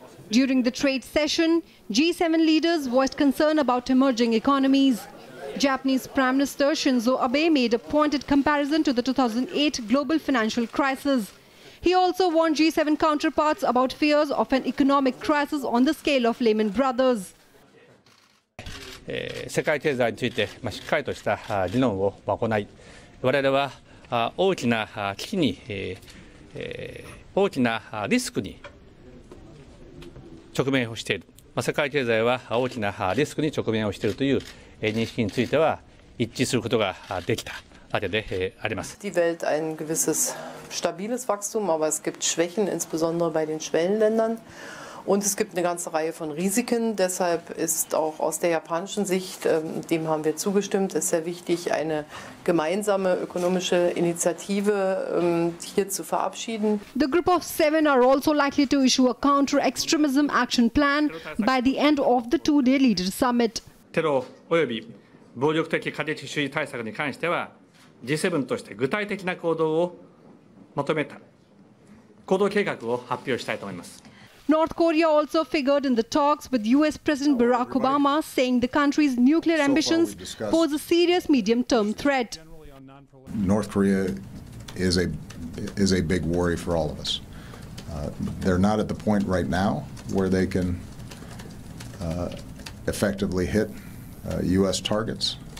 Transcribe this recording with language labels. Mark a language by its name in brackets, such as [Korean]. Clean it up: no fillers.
[English] During the trade session, G7 leaders voiced concern about emerging economies. Japanese Prime Minister Shinzo Abe made a pointed comparison to the 2008 global financial crisis. He also warned G7 counterparts about fears of an economic crisis on the scale of Lehman Brothers. [Japanese] 世界経済についてしっかりとした議論を行い、我々は大きな危機に、大きなリスクに直面をしている。世界経済は大きな、リスクに直面をしているという [German] Die Welt ein gewisses stabiles Wachstum, aber es gibt Schwächen, insbesondere bei den Schwellenländern. Und es gibt eine ganze Reihe von Risiken. Deshalb ist auch aus der japanischen Sicht, dem haben wir zugestimmt, ist sehr wichtig, eine gemeinsame ökonomische Initiative hier zu verabschieden. [English] The group of seven are also likely to issue a counter-extremism action plan by the end of the two-day leader summit. [Japanese] テロ及び暴力的過激主義対策に関しては G7 として具体的な行動を求めた行動計画を発表したいと思います。 [English] North Korea also figured in the talks with U.S. President Barack Obama, saying the country's nuclear ambitions pose a serious medium-term threat. North Korea is a big worry for all of us. They're not at the point right now where they can effectively hit U.S. targets.